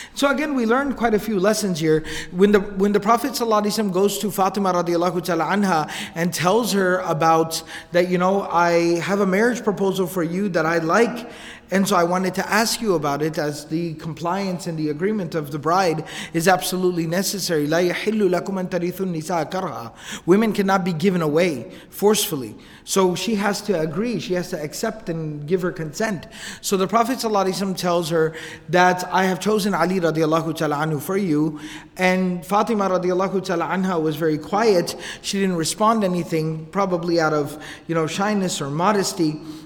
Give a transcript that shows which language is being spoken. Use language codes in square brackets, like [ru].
[en] So again, we learned quite a few lessons here. When the Prophet sallallahu alaihi wasallam goes to Fatima radiallahu ta'ala anha and tells her about that, you know, I have a marriage proposal for you that I like, and so I wanted to ask you about it, as the compliance and the agreement of the bride is absolutely necessary. [ar] لا يحل لكم أن ترثوا النساء كرها. [en] Women cannot be given away forcefully. So she has to agree, she has to accept and give her consent. So the Prophet ﷺ tells her that I have chosen Ali radiallahu ta'ala anhu for you. And Fatima radiallahu ta'ala anha was very quiet. She didn't respond anything, probably out of, you know, shyness or modesty.